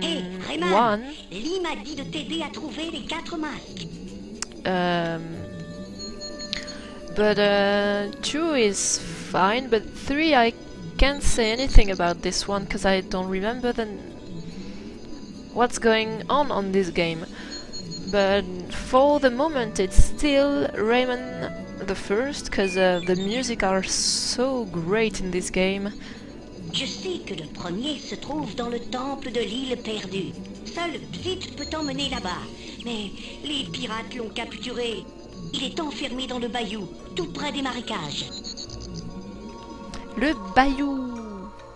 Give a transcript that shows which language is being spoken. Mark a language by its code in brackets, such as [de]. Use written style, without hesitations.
[fr] Hey, Rayman, Lee m'a dit de t'aider à trouver les quatre masques. [en] But 2 is fine, but 3 I can't say anything about this one because I don't remember the what's going on this game. But for the moment it's still Rayman the first, because the music are so great in this game. [fr] Je sais que le premier se trouve dans le temple de l'île perdue. Seul Pete peut t'emmener là-bas, mais les pirates l'ont capturé. Il est enfermé dans le bayou, tout près des marécages. Le bayou.